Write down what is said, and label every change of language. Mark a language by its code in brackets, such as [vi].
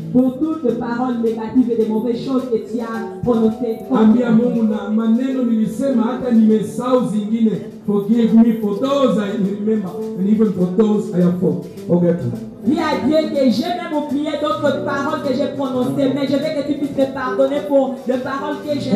[fr] Pour toutes les paroles négatives et les mauvaises choses que tu as prononcées. [sw] Ambia Mungu na maneno nilisema hata nimesahau zingine. [en] Forgive me for those I remember and even for those I have forgotten. [fr] Dis à Dieu que j'ai même oublié d'autres paroles que j'ai prononcées, mais je veux que tu puisses me pardonner pour les paroles que j'ai